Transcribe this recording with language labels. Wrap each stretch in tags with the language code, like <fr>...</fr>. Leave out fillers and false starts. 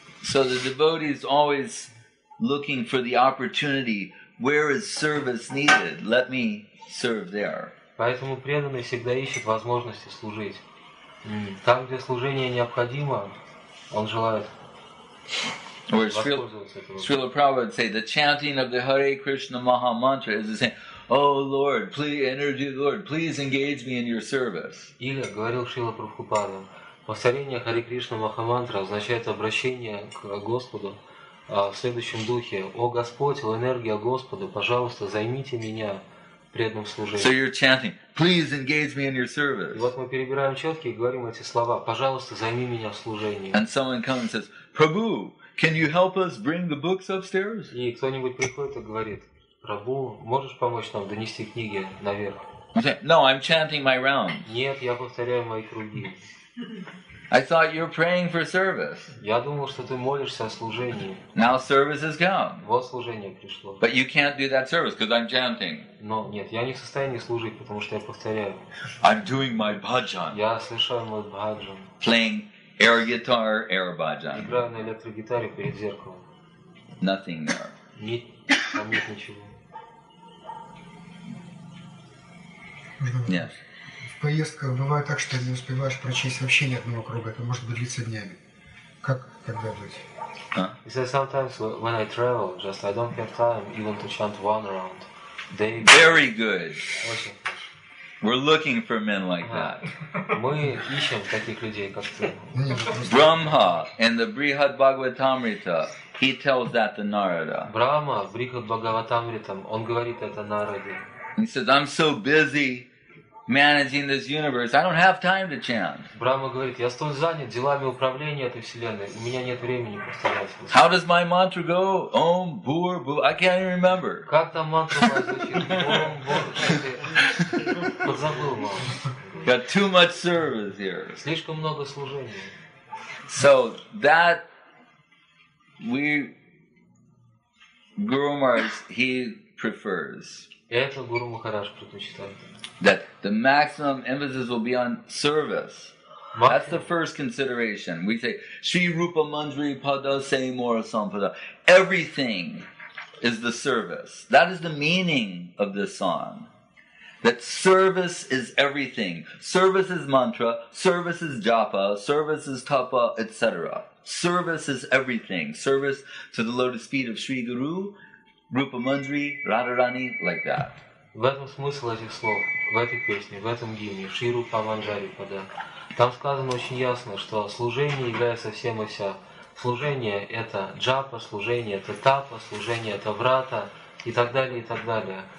<en>So the devotee is always looking for the opportunity, where is service needed, let me serve there.</en> <ru>Поэтому преданный всегда ищет возможности служить. Там, где служение необходимо, он желает...</ru> <en>Or Srila Prabhupada would say, the chanting of the Hare Krishna Maha Mantra is the same, oh Lord, please, energy of the Lord, please engage me in your service.</en> <ru>Или, говорил Шрила Прабхупада, повторение Хари Кришна Маха Мантра означает обращение к Господу в следующем духе. О Господь, о энергия Господа, пожалуйста, займите меня преданным служением.</ru> <en>So you're chanting, please engage me in your service.</en> <ru>И вот мы перебираем четки и говорим эти слова, пожалуйста, займи меня в служении.</ru> <en>And someone comes and says, Prabhu, can you help us bring the books upstairs?</en> <ru>И кто-нибудь приходит и говорит, Прабу, можешь помочь нам донести книги наверх?</ru> <en>No, I'm chanting my rounds.</en> <ru>Нет, я повторяю мои круги.</ru> <en>I thought you're praying for service.</en> <ru>Я думал, что ты молишься о служении.</ru> <en>Now service has come.</en> <ru>Вот служение пришло.</ru> <en>But you can't do that service because I'm chanting.</en> <ru>Но нет, я не в состоянии служить, потому что я повторяю.</ru> <en>I'm doing my bhajan.</en> <ru>Я совершаю мой бхаджан.</ru> <en>Playing air guitar, air bhajan.</en> <ru>Играю на электрогитаре перед зеркалом.</ru> <en>Nothing there.</en> <ru>Нет, там нет ничего.</ru> <en>Yes.</en> <ru>Поездка бывает так, что ты не успеваешь прочесть вообще ни одного круга. Это может быть длиться днями. Как тогда быть?</ru> <en>Huh? He said, sometimes when I travel, just I don't have time even to chant one round. They... Very good. We're looking for men like that.</en> <ru>Мы ищем таких людей, как ты.</ru> <en>Brahma in the Brihad Bhagavatamrita, he tells that to Narada.</en> <ru>Brahma в Brihad Bhagavatamrita, он говорит это Нараде.</ru> <en>He says, I'm so busy managing this universe, I don't have time to chant.</en> <ru>Брама говорит, я столь занят делами управления этой вселенной, у меня нет времени повторять.</ru> <en>How does my mantra go? Om Bhur Bhur. I can't even remember.</en> <ru>Как там мантра звучит? Om Bhur. Подзабыл.</ru> <en>Got too much service here.</en> <ru>Слишком много служения.</ru> <en>So that we Guru Maharaj he prefers.</en> <ru>Это Гуру Махарадж предпочитает.</ru> <en>That the maximum emphasis will be on service. That's the first consideration. We say,</en> <bn>Sri Rupa Manjari Pada Se Mora Sampada.</bn> <en>Everything is the service. That is the meaning of this song. That service is everything. Service is mantra, service is japa, service is tapa, etc. Service is everything. Service to the lotus feet of Sri Guru, Rupa Mundri, Radharani, like that.</en> <ru>В этом смысл этих слов, в этой песне, в этом гимне, Шри Рупа Манджари Пада. Там сказано очень ясно, что служение является всем и вся. Служение – это джапа, служение – это тапа, служение – это врата и так далее, и так далее.</ru>